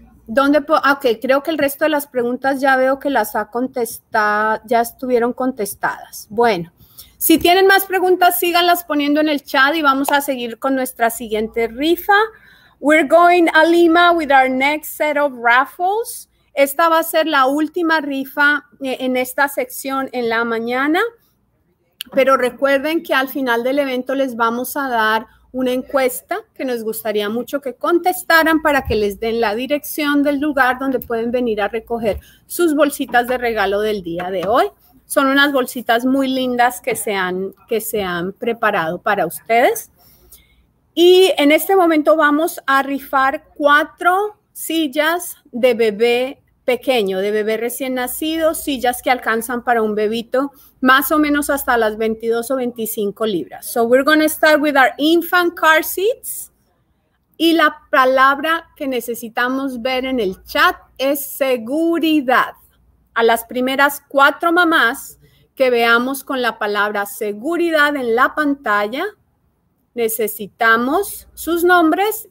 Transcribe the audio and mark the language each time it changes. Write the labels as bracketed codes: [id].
[es] Okay, creo que el resto de las preguntas ya veo que las ha contestado, ya estuvieron contestadas. Bueno. Si tienen más preguntas, síganlas poniendo en el chat y vamos a seguir con nuestra siguiente rifa. [en] We're going a Lima with our next set of raffles. [es] Esta va a ser la última rifa en esta sección en la mañana. Pero recuerden que al final del evento les vamos a dar una encuesta que nos gustaría mucho que contestaran para que les den la dirección del lugar donde pueden venir a recoger sus bolsitas de regalo del día de hoy. Son unas bolsitas muy lindas que se han preparado para ustedes. Y en este momento vamos a rifar 4 sillas de bebé pequeño, de bebé recién nacido, sillas que alcanzan para un bebito más o menos hasta las 22 o 25 libras. [en] So we're going to start with our infant car seats. [es] Y la palabra que necesitamos ver en el chat es seguridad. A las primeras 4 mamás que veamos con la palabra seguridad en la pantalla, necesitamos sus nombres.